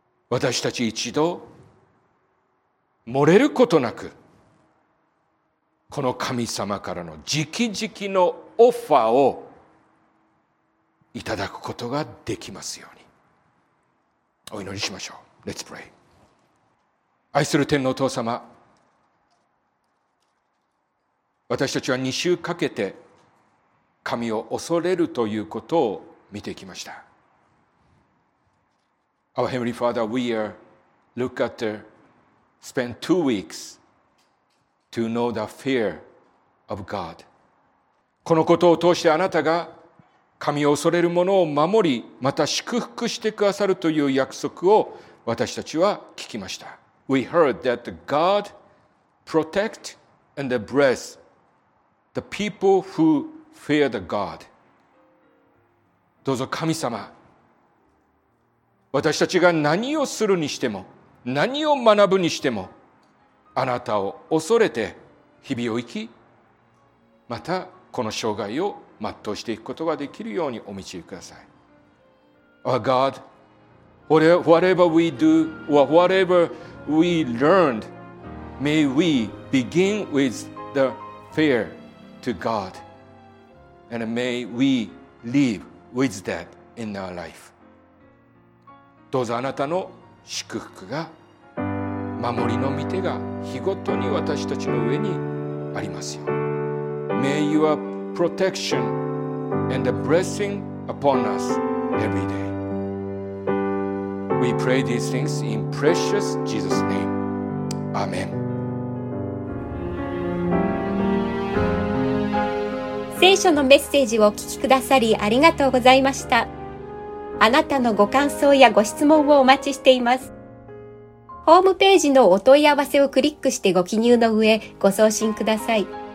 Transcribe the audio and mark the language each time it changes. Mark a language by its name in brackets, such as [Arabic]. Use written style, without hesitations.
[Japanese] 私たち一度漏れることなく、この神様からの直々のオファーをいただくことができますように、お祈りしましょう。 [English] Let's pray。 [Japanese] 愛する天のお父様、私たちは2週かけて神を恐れるということを見ていきました。 [English] Our Heavenly Father, we are look at the spend 2 weeks to know the fear of God。 [Japanese] このことを通してあなたが神を恐れる者を守り、また祝福してくださるという約束を私たちは聞きました。 [English] We heard that God protect and bless the people who fear the God。 [Japanese] どうぞ神様、私たちが何をするにしても、何を学ぶにしても、あなたを恐れて日々を生き、またこの生涯を全うしていくことができるようにお導きください。 [English] Our God, whatever we do or whatever we learned, may we begin with the fear to God, and may we live with that in our life. [Japanese] どうぞあなたの祝福が、守りの御手が日ごとに私たちの上にありますように。 [English] May your protection and the blessing upon us every day. We pray these things in precious Jesus' name. Amen. [Japanese] 聖書のメッセージをお聞きくださりありがとうございました。あなたのご感想やご質問をお待ちしています。ホームページのお問い合わせをクリックしてご記入の上ご送信ください。